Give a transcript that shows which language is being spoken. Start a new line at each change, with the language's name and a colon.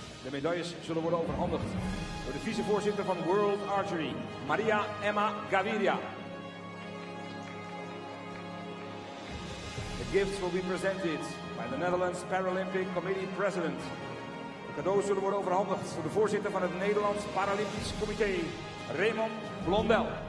Dutch: De medailles zullen worden overhandigd door de vicevoorzitter van World Archery, Maria Emma Gaviria.
English: The gifts will be presented by the Netherlands Paralympic Committee President.
Dutch: De cadeaus zullen worden overhandigd door de voorzitter van het Nederlands Paralympisch Comité, Raymond Blondel.